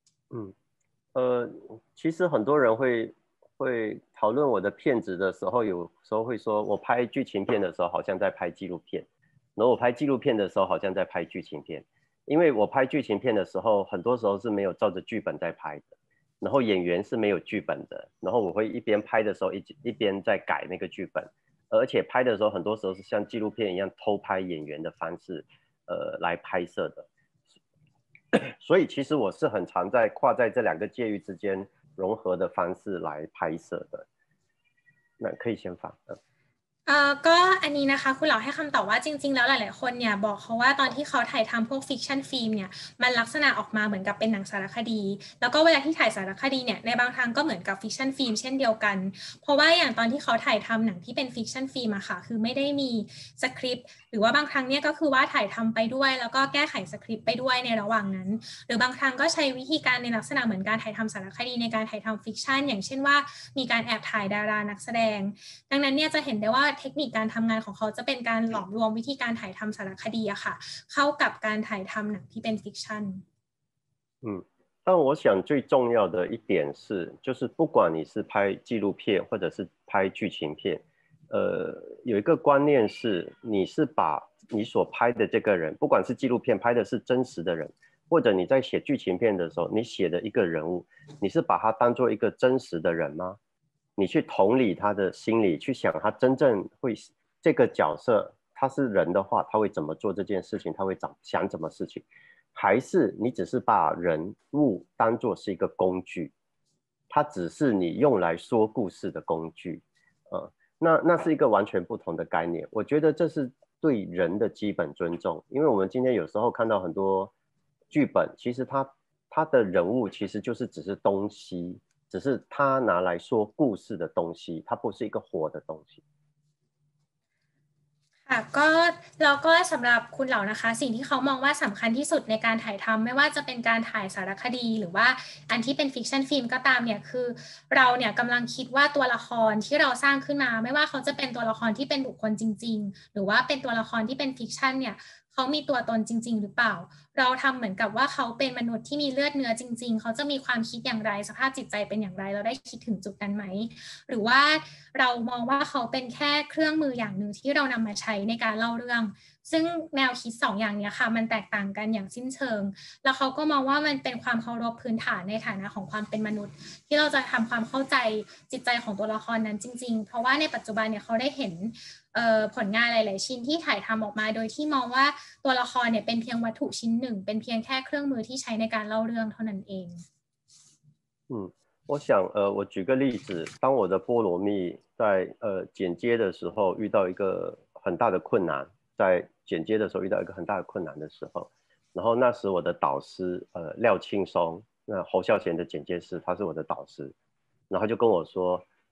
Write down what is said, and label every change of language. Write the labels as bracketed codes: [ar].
[zh] 嗯，其实很多人会讨论我的片子的时候，有时候会说我拍剧情片的时候好像在拍纪录片，然后我拍纪录片的时候好像在拍剧情片，因为我拍剧情片的时候很多时候是没有照着剧本在拍的，然后演员是没有剧本的，然后我会一边拍的时候 一边在改那个剧本，而且拍的时候很多时候是像纪录片一样偷拍演员的方式来拍摄的。所以其实我是很常在跨在这两个介于之间融合的方式来拍摄的。那可以先放。 [th] ก็อันนี้นะคะคุณเหล่าให้คำตอบว่าจริงๆแล้วหลายๆคนเนี่ยบอกเขาว่าตอนที่เขาถ่ายทำพวกฟิกชันฟิล์มเนี่ยมันลักษณะออกมาเหมือนกับเป็นหนังสารคดีแล้วก็เวลาที่ถ่ายสารคดีเนี่ยในบางทางก็เหมือนกับฟิกชันฟิล์มเช่นเดียวกันเพราะว่าอย่างตอนที่เขาถ่ายทำหนังที่เป็นฟิกชันฟิล์มอะค่ะคือไม่ได้มี สคริปต์หรือว่าบางครั้งเนี่ยก็คือว่าถ่ายทำไปด้วยแล้วก็แก้ไขสคริปต์ไปด้วยในระหว่างนั้นหรือบางครั้งก็ใช้วิธีการในลักษณะเหมือนการถ่ายทำสารคดีในการถ่ายทำฟิกชันอย่างเช่นว่ามีการแอบถ่ายดารานักแสดงดังนั้นเนี่ยจะเห็นได้ว่าเทคนิคการทำงานของเขาจะเป็นการหลอมรวมวิธีการถ่ายทำสารคดีอะค่ะเข้ากับการถ่ายทำหนังที่เป็นฟิกชัน แต่ [zh] 我想最重要的一点是就是不管你是拍纪录片或者是拍剧情片有一个观念是你是把你所拍的这个人不管是纪录片拍的是真实的人或者你在写剧情片的时候你写的一个人物你是把他当作一个真实的人吗你去同理他的心理去想他真正会这个角色他是人的话他会怎么做这件事情他会想怎么事情还是你只是把人物当作是一个工具他只是你用来说故事的工具那是一个完全不同的概念我觉得这是对人的基本尊重因为我们今天有时候看到很多剧本其实他的人物其实就是只是东西只是他拿来说故事的东西他不是一个活的东西 [th] ค่ะก็เราก็สำหรับคุณเหล่านะคะสิ่งที่เขามองว่าสำคัญที่สุดในการถ่ายทำไม่ว่าจะเป็นการถ่ายสารคดีหรือว่าอันที่เป็นฟิกชันฟิล์มก็ตามเนี่ยคือเราเนี่ยกำลังคิดว่าตัวละครที่เราสร้างขึ้นมาไม่ว่าเขาจะเป็นตัวละครที่เป็นบุคคลจริงๆหรือว่าเป็นตัวละครที่เป็นฟิกชันเนี่ยเขามีตัวตนจริงๆหรือเปล่าเราทำเหมือนกับว่าเขาเป็นมนุษย์ที่มีเลือดเนื้อจริงๆเขาจะมีความคิดอย่างไรสภาพจิตใจเป็นอย่างไรเราได้คิดถึงจุดนั้นไหม หรือว่าเรามองว่าเขาเป็นแค่เครื่องมืออย่างหนึ่งที่เรานำมาใช้ในการเล่าเรื่องซึ่งแนวคิดสองอย่างนี้ค่ะมันแตกต่างกันอย่างสิ้นเชิงแล้วเขาก็มองว่ามันเป็นความเคารพพื้นฐานในฐานะของความเป็นมนุษย์ที่เราจะทำความเข้าใจจิตใจของตัวละครนั้นจริงๆเพราะว่าในปัจจุบันเนี่ยเขาได้เห็นผลงานหลายๆชิ้นที่ถ่ายทำออกมาโดยที่มองว่าตัวละครเนี่ยเป็นเพียงวัตถุชิ้นหนึ่งเป็นเพียงแค่เครื่องมือที่ใช้ในการเล่าเรื่องเท่านั้นเอง [zh] 我想我举个例子当我的波罗蜜在剪接的时候遇到一个很大的困难在剪接的时候遇到一个很大的困难的时候然后那时我的导师廖庆松那侯孝贤的剪接师他是我的导师然后就跟我说